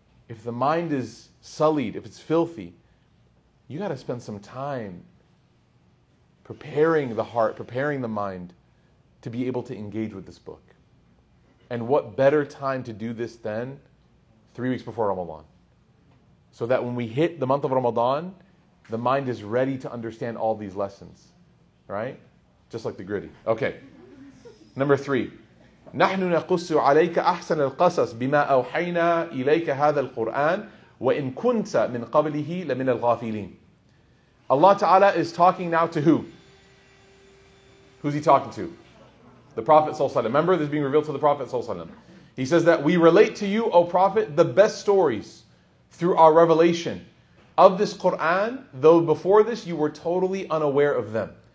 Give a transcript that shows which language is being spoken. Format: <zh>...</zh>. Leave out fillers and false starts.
<en>If the mind is sullied, if it's filthy, you got to spend some time preparing the heart, preparing the mind to be able to engage with this book. And what better time to do this than 3 weeks before Ramadan? So that when we hit the month of Ramadan, the mind is ready to understand all these lessons, right? Just like the gritty. Okay. Number three.</en> <ar>نحن نقص عليك أحسن القصص بما أوحينا إليك هذا القرآن وإن كنت من قبله لمن الغافلين.</ar> <en>Allah Ta'ala is talking now to who? Who's he talking to? The Prophet Sallallahu Alaihi Wasallam. Remember, this being revealed to the Prophet Sallallahu Alaihi Wasallam. He says that we relate to you, O Prophet, the best stories through our revelation of this Quran, though before this you were totally unaware of them.</en>